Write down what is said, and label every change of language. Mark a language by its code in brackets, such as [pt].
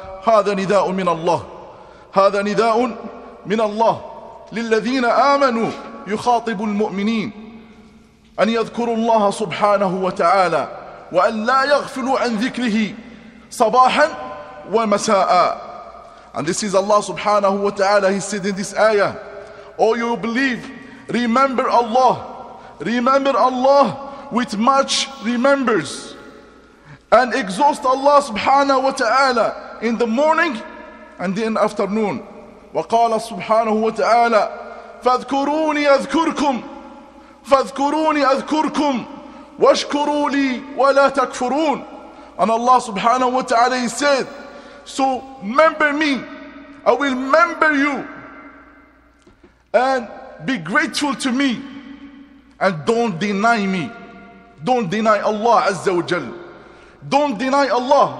[ar] هذا نداء من الله، هذا نداء من الله للذين آمنوا، يخاطب المؤمنين أن يذكروا الله سبحانه وتعالى وأن لا يغفلوا عن ذكره صباحا ومساء. [en] And this is Allah subhanahu wa ta'ala, he said in this ayah: O you believe, remember Allah, remember Allah with much remembers, and exhaust Allah subhanahu wa ta'ala in the morning and in afternoon. [ar] وقال سبحانه وتعالى: فاذكروني أذكركم، فاذكروني أذكركم، واشكروا لي ولا تكفرون. [en] And Allah subhanahu wa ta'ala said: So remember me, I will remember you, and be grateful to me, and don't deny me. Don't deny Allah Azza wa Jal. Don't deny Allah.